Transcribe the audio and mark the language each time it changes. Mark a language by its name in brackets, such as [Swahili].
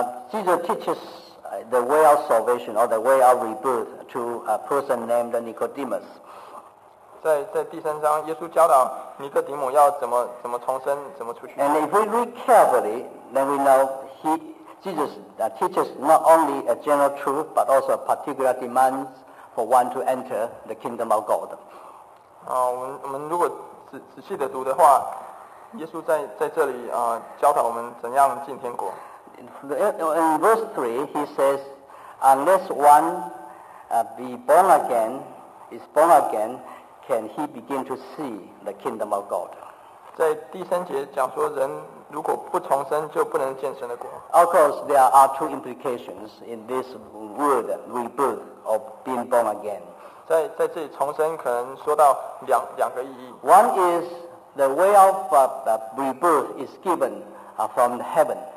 [English] Jesus teaches the way of salvation or the way of rebirth to a person named Nicodemus. [Chinese] 在第三章，耶稣教导尼哥底母要怎么重生，怎么出去。 [English] And if we read carefully, then we know Jesus teaches not only a general truth, but also a particular demands for one to enter the kingdom of God. [Chinese] 我们如果仔细的读的话，耶稣在这里教导我们怎样进天国。 [English] In verse 3, he says, unless one be born again, is born again, can he begin to see the kingdom of God? [Chinese] 在第三节讲说，人如果不重生，就不能见神的国。 [English] Of course, there are two implications in this word, rebirth, of being born again. [Chinese] 在这里重生可能说到两个意义。 [English] One is the way of rebirth is given from heaven.